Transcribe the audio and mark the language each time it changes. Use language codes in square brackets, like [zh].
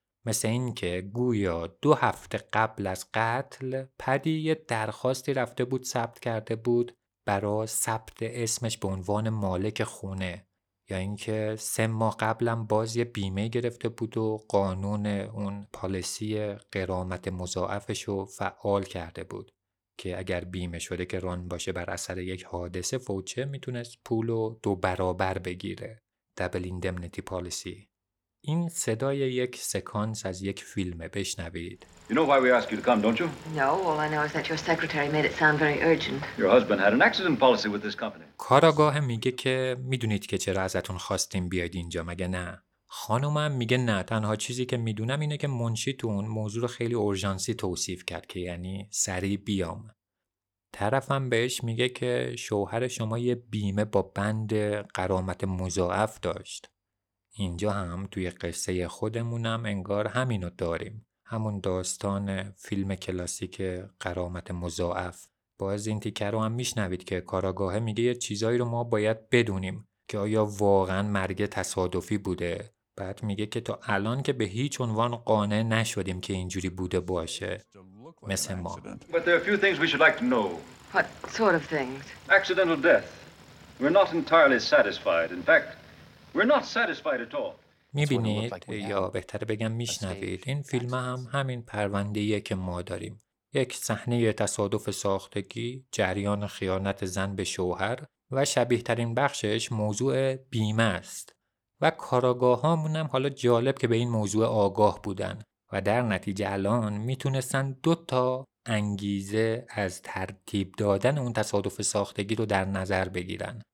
[fa] مثل این که گویا دو هفته قبل از قتل پدی یه درخواستی رفته بود ثبت کرده بود برای ثبت اسمش به عنوان مالک خونه، یا اینکه 3 ماه قبلم باز یه بیمه گرفته بود و قانون اون پالیسی غرامت مضاعفش رو فعال کرده بود که اگر بیمه شده که ران باشه بر اثر یک حادثه فوچه میتونست پول رو 2 برابر بگیره. دبل ایندمنیتی پالیسی. این صدای یک سکانس از یک فیلمه، بشنوید. [en] You know why we ask you to come, don't you? No, all I know is that your secretary made it sound very urgent. Your husband had an accident policy with this company. [fa] کاراگاه میگه که میدونید که چرا ازتون خواستیم بیاید اینجا مگه نه؟ خانومم میگه نه، تنها چیزی که میدونم اینه که منشیتون موضوع رو خیلی اورژانسی توصیف کرد که یعنی سریع بیام. طرفم بهش میگه که شوهر شما یه بیمه با بند غرامت مضاعف داشت. اینجا هم توی قصه خودمونم انگار همینو داریم. همون داستان فیلم کلاسیک غرامت مضاعف. باز این تیکر رو هم میشنوید که کاراگاه میگه یه چیزایی رو ما باید بدونیم که آیا واقعا مرگ تصادفی بوده. بعد میگه که تا الان که به هیچ عنوان قانع نشدیم که اینجوری بوده باشه. مثل ما. [en] But there are a few things we should like to know. What sort of things? Accidental death. We're not entirely satisfied. In fact, we're not satisfied at all. [fa] میبینید یا بهتر بگم میشنوید این فیلم هم همین پرونده‌ایه که ما داریم. یک صحنه تصادف ساختگی، جریان خیانت زن به شوهر و شبیه‌ترین بخشش موضوع بیمه است. و کاراگاه‌هامون هم حالا جالب که به این موضوع آگاه بودن و در نتیجه الان میتونستن 2 تا انگیزه از ترتیب دادن اون تصادف ساختگی رو در نظر بگیرن.